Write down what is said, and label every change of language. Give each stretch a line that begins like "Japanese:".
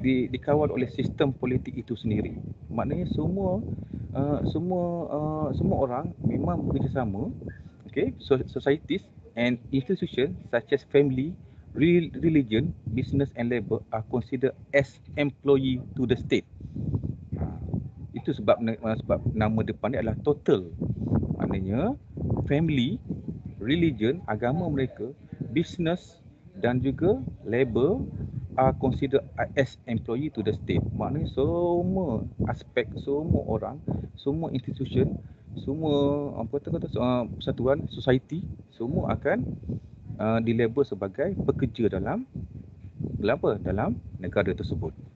Malay: Dikawal oleh sistem politik itu sendiri. Maknanya semua orang memang bekerjasama.
English: Okay, so societies and institutions such as family, religion, business and labor are considered as employee to the state.
Malay: Itu sebab nama depan dia adalah total. Maknanya
English: family, religion,
Malay: agama mereka,
English: business
Malay: dan juga
English: labor are considered as employee to the state.
Malay: Maknanya semua aspek, semua orang, semua institution, semua kata persatuan, society, semua akan dilabel sebagai pekerja dalam negara tersebut.